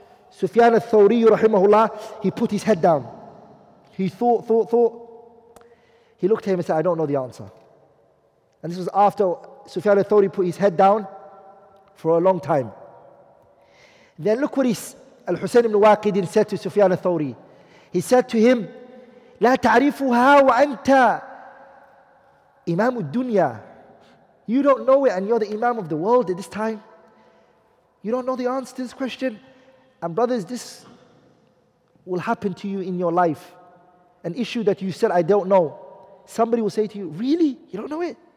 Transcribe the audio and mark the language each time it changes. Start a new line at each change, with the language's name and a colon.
English: Sufyan al-Thawri, rahimahullah, he put his head down. He thought. He looked at him and said, I don't know the answer. And this was after Sufyan al-Thawri put his head down for a long time. Then look what al-Husayn ibn Waqidin said to Sufyan al-Thawri.
Arabic: He said to him, لا تعرفها وأنت إمام الدنيا.
English: You don't know it and you're the Imam of the world at this time. You don't know the answer to this question. And brothers, this will happen to you in your life. An issue that you said, I don't know. Somebody will say to you, really? You don't know it?